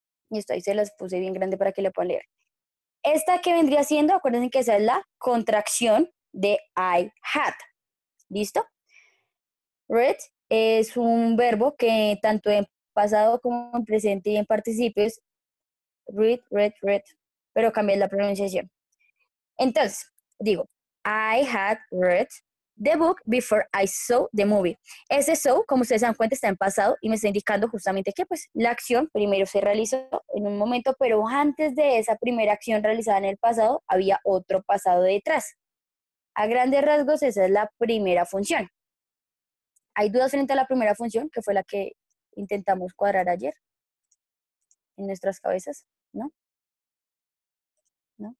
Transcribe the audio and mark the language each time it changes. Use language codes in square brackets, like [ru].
[es] Y esto ahí se las puse bien grande para que lo puedan leer. Esta que vendría siendo, acuérdense que esa es la contracción de I had. ¿Listo? Read es un verbo que tanto en pasado como en presente y en participios, read, pero cambié la pronunciación. Entonces, digo, [en] I had read the book before I saw the movie. [es] Ese saw, como ustedes se dan cuenta, está en pasado y me está indicando justamente que pues la acción primero se realizó en un momento, pero antes de esa primera acción realizada en el pasado, había otro pasado detrás. A grandes rasgos, esa es la primera función. ¿Hay dudas frente a la primera función, que fue la que intentamos cuadrar ayer en nuestras cabezas? ¿No? ¿No?